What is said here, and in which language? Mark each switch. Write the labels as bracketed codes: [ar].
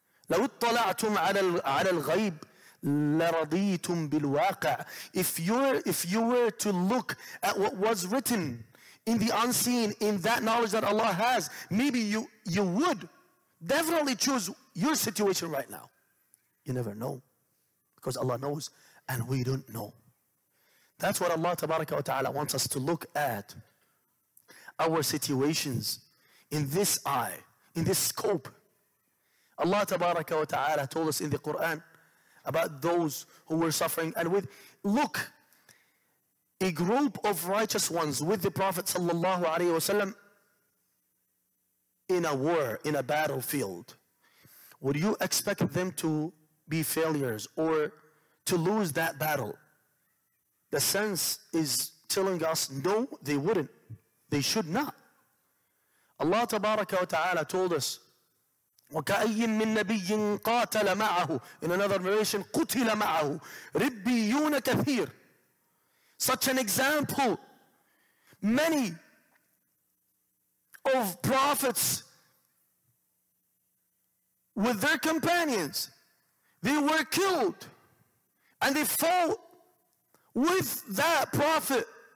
[ar] لو اطلعتم على الغيب لرضيتم بالواقع. [en] If you were to look at what was written in the unseen, in that knowledge that Allah has, maybe you would definitely choose your situation right now. You never know, because Allah knows and we don't know. That's what Allah tabaraka wa ta'ala wants us to look at our situations in this eye, in this scope. Allah tabaraka wa ta'ala told us in the Quran about those who were suffering, and with look, a group of righteous ones with the Prophet sallallahu alaihi wasallam in a war, in a battlefield. Would you expect them to be failures or to lose that battle? The sense is telling us no, they wouldn't. They should not. Allah tabaraka wa ta'ala told us, [ar] وَكَأَيِّن مِّن نَبِيٍّ قَاتَلَ مَعَهُ. [en] In another narration, [ar] قُتِلَ مَعَهُ رِبِّيُّونَ كَثِيرٌ. [en] Such an example. Many of prophets with their companions, they were killed and they fought with that prophet.